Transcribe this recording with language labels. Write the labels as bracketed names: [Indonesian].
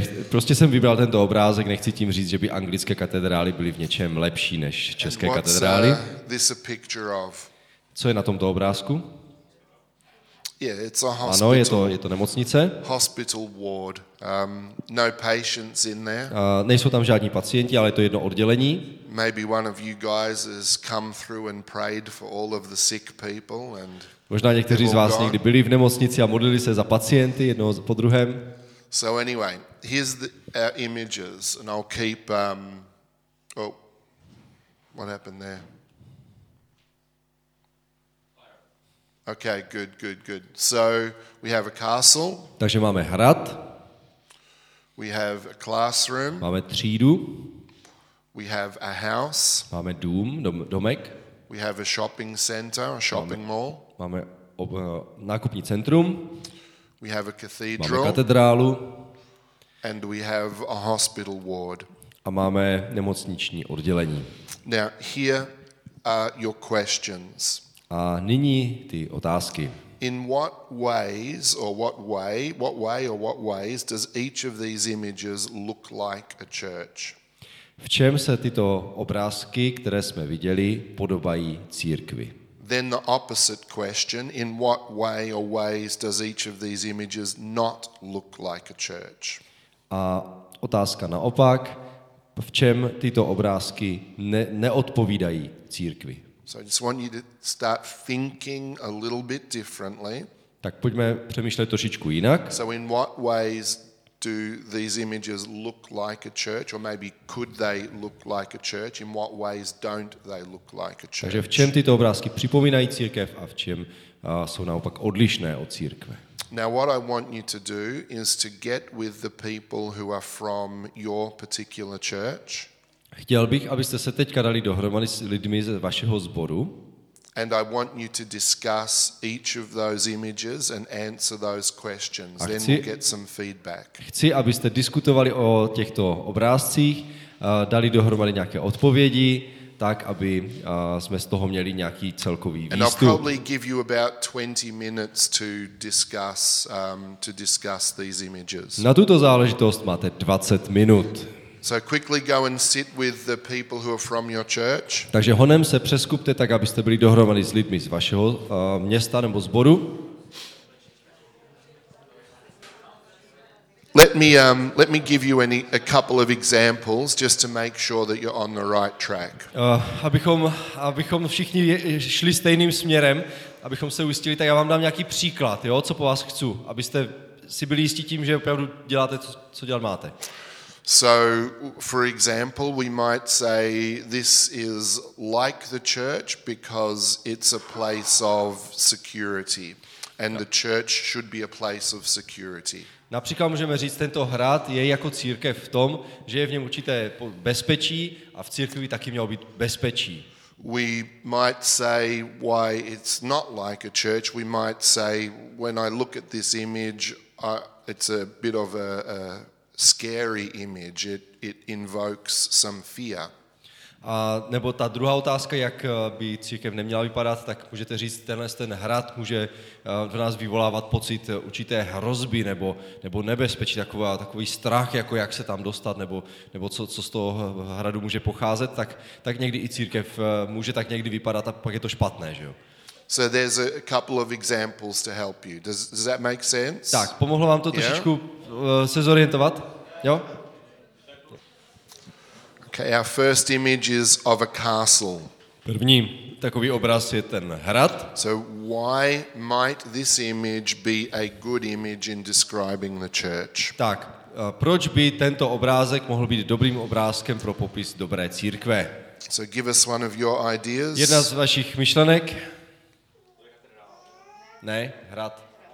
[Czech] Prostě jsem vybral tento obrázek, nechci tím říct, že by anglické katedrály byly v něčem lepší než české katedrály. [English] This a picture of? [Czech] Co je na tomto obrázku? [English] Yeah, it's a hospital. [Czech] Ano, je to nemocnice. [English] Hospital ward. No patients in there. [Czech] Nejsou tam žádní pacienti, ale je to jedno oddělení. [English] Maybe one of you guys has come through and prayed for all of the sick people and. [Czech] Možná někteří z vás někdy byli v nemocnici a modlili se za pacienty jednoho po druhém. [English] So anyway, here's the images and I'll keep what happened there? Okay, good. So we have a castle. [Czech] Takže máme hrad. [English] We have a classroom. [Czech] Máme třídu. [English] We have a house. [Czech] Máme dům, domek. [English] We have a shopping center, a shopping mall. [Czech] Máme nákupní centrum. [English] We have a cathedral. [Czech] Máme katedrálu. [English] And we have a hospital ward. [Czech] A máme nemocniční oddělení. [English] Now here are your questions. [Czech] A nyní ty otázky. [English] In what ways or what way or what ways does each of these images look like a church? [Czech] V čem se tyto obrázky, které jsme viděli, podobají církvi? [English] Then the opposite question, in what way or ways does each of these images not look like a church? [Czech] A otázka naopak, v čem tyto obrázky neodpovídají církvi? [English] So I just want you to start thinking a little bit differently. [Czech] Tak pojďme přemýšlet trošičku jinak. [English] So in what ways do these images look like a church, or maybe could they look like a church? In what ways don't they look like a church? [Czech] Takže v čem tyto obrázky připomínají církev a v čem jsou naopak odlišné od církve? [English] Now what I want you to do is to get with the people who are from your particular church. [Czech] Chtěl bych, abyste se teďka dali dohromady s lidmi ze vašeho sboru. [English] And I want you to discuss each of those images and answer those questions. Then we'll get some feedback. [Czech] Chci, abyste diskutovali o těchto obrázcích, dali dohromady nějaké odpovědi, tak aby jsme z toho měli nějaký celkový výstup. [English] And I'll probably give you about 20 minutes to discuss these images. [Czech] Na tuto záležitost máte 20 minut. [English] So quickly go and sit with the people who are from your church. [Czech] Takže honem se přeskupte tak, abyste byli dohromady s lidmi z vašeho města nebo sboru. [English] Let me give you a couple of examples just to make sure that you're on the right track. [Czech] Abychom všichni šli stejným směrem, abychom se ujistili, tak já vám dám nějaký příklad, jo, co po vás chci, abyste si byli jistí tím, že opravdu děláte to, co dělat máte. [English] So, for example, we might say this is like the church because it's a place of security, and the church should be a place of security. [Czech] Například můžeme říct, tento hrad je jako církev v tom, že je v něm určité bezpečí a v církvi taky mělo být bezpečí. [English] We might say why it's not like a church. We might say when I look at this image, it's a bit of a scary image, it invokes some fear. [Czech] A nebo ta druhá otázka, jak by církev neměla vypadat, tak můžete říct, tenhle ten hrad může v nás vyvolávat pocit určité hrozby nebo nebezpečí, takový strach, jako jak se tam dostat, nebo co z toho hradu může pocházet, tak někdy i církev může tak někdy vypadat a pak je to špatné, že jo? [English] So there's a couple of examples to help you. Does that make sense? [Czech] Tak, pomohlo vám to trošičku se zorientovat? Jo? [English] Okay, our first image is of a castle. [Czech] První takový obraz je ten hrad. [English] So why might this image be a good image in describing the church? [Czech] Tak, proč by tento obrázek mohl být dobrým obrázkem pro popis dobré církve? [English] So give us one of your ideas. [Czech] Jedna z vašich myšlenek. Ne, hrad.